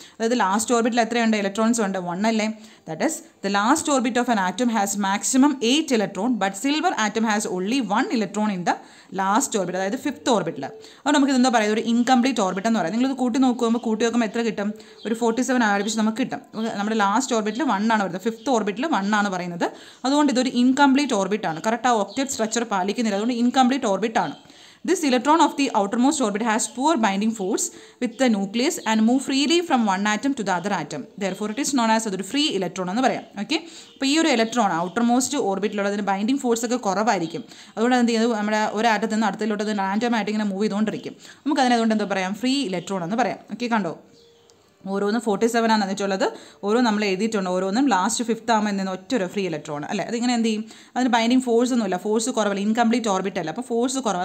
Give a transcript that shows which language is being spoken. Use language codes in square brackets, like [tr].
[ml] അതായത് ലാസ്റ്റ് ഓർബിറ്റിൽ എത്രയുണ്ട് ഇലക്ട്രോൺസ് ഉണ്ട്? വൺ അല്ലേ. [en] that is the last orbit of an atom has maximum 8 electron, but silver atom has only 1 electron in the last orbit, [ml] അതായത് fifth ഓർബിറ്റിൽ. അപ്പോൾ നമുക്ക് ഇതെന്താ പറയുക, ഒരു ഇൻകംപ്ലീറ്റ് ഓർബിറ്റ് എന്ന് പറയുക. നിങ്ങളിത് കൂട്ടി നോക്കുമ്പോൾ കൂട്ടി നോക്കുമ്പോൾ എത്ര കിട്ടും? ഒരു 47 ആരംഭിച്ച് നമുക്ക് കിട്ടും. നമ്മുടെ ലാസ്റ്റ് ഓർബിറ്റിൽ 1 ആണ് പറയുന്നത്, ഫിഫ്ത് ഓർബിറ്റിൽ 1 ആണ് പറയുന്നത്. അതുകൊണ്ട് ഇതൊരു ഇൻകംപ്ലീറ്റ് ഓർബിറ്റ് ആണ്, കറക്റ്റ് ആ ഒക്ടേറ്റ് സ്ട്രക്ചർ പാലിക്കുന്നില്ല, അതുകൊണ്ട് ഇൻകംപ്ലീറ്റ് ഓർബിറ്റ് ആണ്. [en] This electron of the outermost orbit has poor binding force with the nucleus and move freely from one atom to the other atom. Therefore, it is known as a free electron. Okay? [ml] അപ്പോൾ ഈ ഒരു electron outermost ഓർബിറ്റിലുള്ളതിന് binding force ഒക്കെ കുറവായിരിക്കും. അതുകൊണ്ട് എന്ത് ചെയ്യുന്നത്, നമ്മുടെ ഒരു ആറ്റത്ത് നിന്ന് അടുത്തിലോട്ട് അതിന് റാൻഡമായിട്ട് ഇങ്ങനെ മൂവ് ചെയ്തുകൊണ്ടിരിക്കും. നമുക്ക് അതിനതുകൊണ്ട് എന്താ പറയാം, ഫ്രീ ഇലക്ട്രോൺ എന്ന് പറയാം. ഓക്കെ, കണ്ടോ ഓരോന്നും 47 ആണ് എന്നുവെച്ചുള്ളത്, ഓരോ നമ്മൾ എഴുതിയിട്ടുണ്ട്. ഓരോന്നും ലാസ്റ്റ് ഫിഫ്ത് ആകുമ്പോൾ എന്ന് ഒറ്റ ഒരു ഫ്രീ ഇലക്ട്രോൺ അല്ലേ. അതിങ്ങനെ എന്ത് ചെയ്യും, അതിന് ബൈൻഡിങ് ഫോഴ്സ് ഒന്നുമില്ല, ഫോഴ്സ് കുറവല്ല, ഇൻകംപ്ലീറ്റ് ഓർബിറ്റ് അല്ല, അപ്പോൾ ഫോഴ്സ് കുറവ്.